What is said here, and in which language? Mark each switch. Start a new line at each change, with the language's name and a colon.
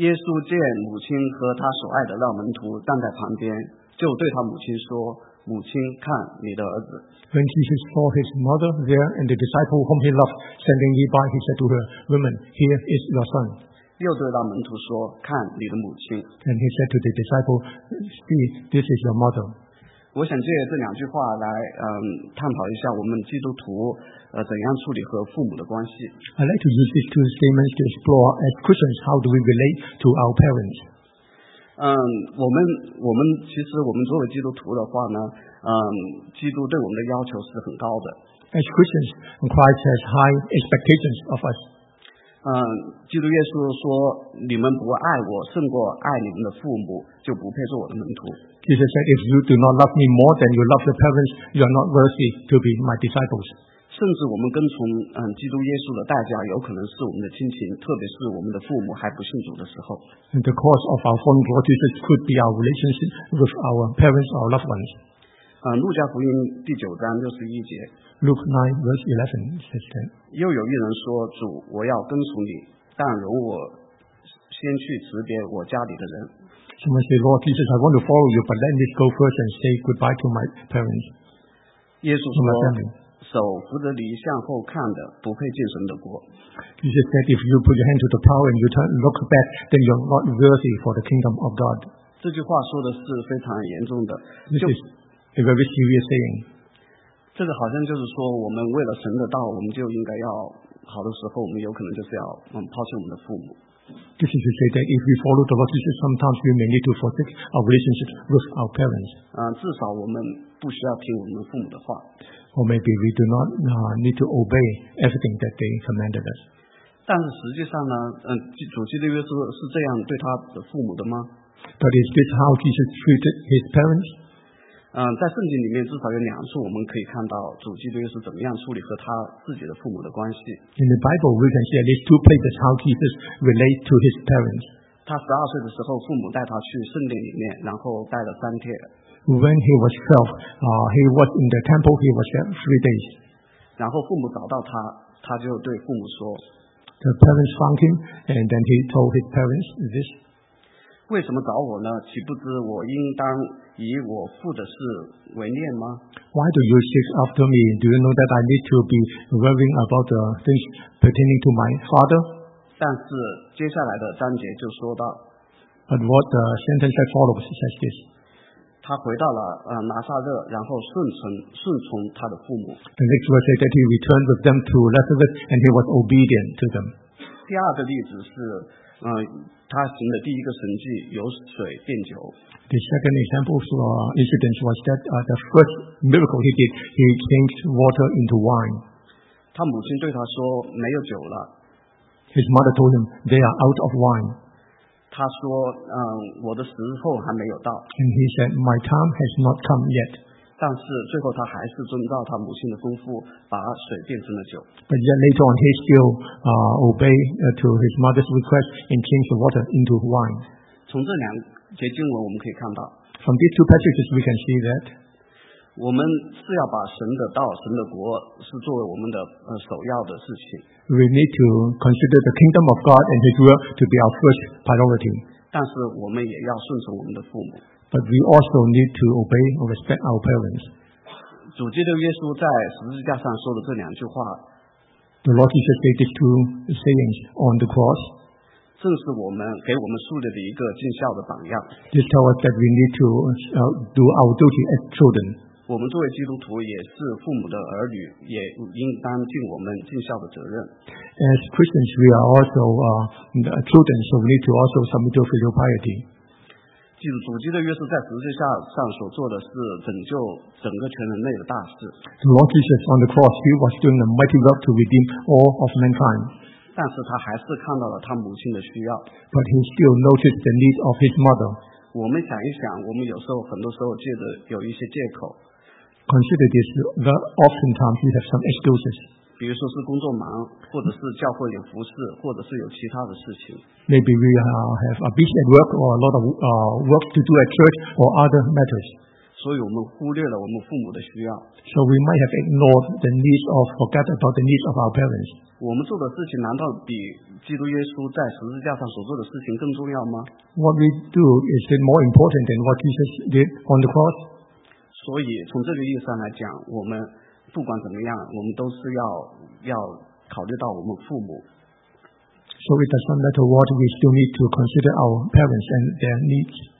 Chinese: 耶稣见母亲和他所爱的那门徒站在旁边。就对他母亲说：“母亲，看你的儿子。”
English: When Jesus saw his mother there and the disciple whom he loved standing nearby, he said to her, "Woman, here is your son."
Chinese: 又对那门徒说：“看你的母亲。”
English: And he said to the disciple, "See, this is your mother."
Chinese: 我想借这两句话来探讨一下我们基督徒怎样处理和父母的关系。
English: I'd like to use these two statements to explore as Christians how do we relate to our parents.
Chinese: 我们其实我们作为基督徒的话呢，基督对我们的要求是很高的。
English: As Christians, Christ has high expectations of us.
Chinese: 基督耶稣说，你们不爱我胜过爱你们的父母，就不配做我的门徒。
English: Jesus said, if you do not love me more than you love your parents, you are not worthy to be my disciples.
Chinese: 甚至我们跟从基督耶稣的代价有可能是我们的亲情，特别是我们的父母还不信主的时候。
English: And the cause of our following Lord Jesus could be our relationship with our parents or loved ones.
Chinese: 路加福音第九章六十一节。
English: Luke 9 verse 11 says that.
Chinese: 又有一人说，主，我要跟从你，但容我先去辞别我家里的人。
English: Someone say, Lord Jesus, I want to follow you, but let me go first and say goodbye to my parents.
Chinese: 耶稣说。手扶着犁向后看的，不配进神的国。
English: Jesus said, "If you put your hand to the plow and you turn look back, then you're not worthy for the kingdom of God."
Chinese: 这句话说的是非常严重的。
English: This is a very serious saying.
Chinese: 这个好像就是说，我们为了神的道，我们就应该要好的时候，我们有可能就是要抛弃我们的父母。
English: This is to say that if we follow the Lord Jesus, sometimes we may need to forsake our relationship with our parents.
Chinese: 至少我们不需要听我们父母的话。
English: Or maybe we do not need to obey everything that they commanded us.
Chinese: 但是实际上呢，主基督耶稣是这样对他的父母的吗
English: ？But is this how Jesus treated his parents?
Chinese: 在圣经里面至少有两处我们可以看到主基督耶稣怎么样处理和他自己的父母的关系。
English: In the Bible, we can see at least two places how Jesus relates to his parents.
Chinese: 他十二岁的时候，父母带他去圣殿里面，然后待了三天。
English: When he was 12, he was in the temple, he was there 3 days.
Chinese: 然后父母找到他，他就对父母说。
English: The parents found him, and then he told his parents this.
Chinese: 为什么找我呢？岂不知我应当以我父的事为念吗？
English: Why do you seek after me? Do you know that I need to be worrying about the things pertaining to my father?
Chinese: 但是接下来的章节就说到。
English: But what the sentence that follows says this.
Chinese: 他回到了拿撒勒，然后顺从他的父母。
English: The next verse says that he returned with them to Nazareth, and he was obedient to them.
Chinese: 第二个例子是，他行的第一个神迹由水变酒。
English: The second example for incident was that the first miracle he did, he changed water into wine.
Chinese: 他母亲对他说：“没有酒了。”
English: His mother told him, "They are out of wine."
Chinese: 他说我的时候还没有到。
English: And he said, my time has not come yet.
Chinese: 但是最后他还是遵照他母亲的吩咐把水变成了酒。
English: But yet later on, he still obeyed to his mother's request and changed the water into wine.
Chinese: 从这两节经文我们可以看到。
English: From these two passages, we can see that.
Chinese: 我们是要把神的道、神的国是作为我们的首要的事情。
English: We need to consider the kingdom of God and His will to be our first priority.
Chinese: 但是我们也要顺从我们的父母。
English: But we also need to obey or respect our parents.
Chinese: 主基督耶稣在十字架上说的这两句话。
English: The Lord Jesus said these two sayings on the cross.
Chinese: 正是我们给我们树立的一个尽孝的榜样。
English: This tells us that we need to do our duty as children.
Chinese: 我们作为基督徒也是父母的儿女，也应当尽我们尽孝的责任。
English: As Christians, we are also children, so we need to also submit to filial piety.
Chinese: 主基督耶稣在十字架上所做的是拯救整个全人类的大事。
English: The Lord Jesus on the cross, he was doing a mighty work to redeem all of mankind.
Chinese: 但是他还是看到了他母亲的需要。
English: But he still noticed the need of his mother.
Chinese: 我们想一想，我们有时候很多时候借着有一些借口。
English: Consider this, that oftentimes we have some excuses.
Chinese: 比如说是工作忙，或者是教会有服事，或者是有其他的事情。
English: Maybe we have a busy at work or a lot of work to do at church or other matters.
Chinese: 所以我们忽略了我们父母的需要。
English: So we might have ignored the needs of, forget about the needs of our parents.
Chinese: 我们做的事情难道比基督耶稣在十字架上所做的事情更重要吗？
English: What we do is it more important than what Jesus did on the cross?
Chinese: 所以从这个意义上来讲，我们不管怎么样，我们都是要考虑到我们父母。
English: So it does not matter what, we still need to consider our parents and their needs.